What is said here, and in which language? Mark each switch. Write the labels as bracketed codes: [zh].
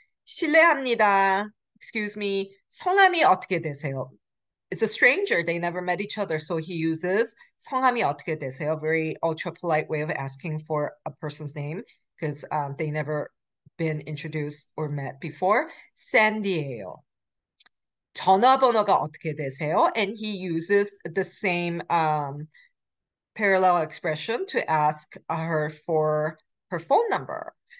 [ko] 실례합니다. [en] Excuse me. [ko] 성함이 어떻게 되세요? [en] It's a stranger. They never met each other. So he uses [ko] 성함이 어떻게 되세요? [en] A very ultra polite way of asking for a person's name because they never been introduced or met before. [ko] Sandy예요. 전화번호가 어떻게 되세요? [en] And he uses the same parallel expression to ask her for her phone number.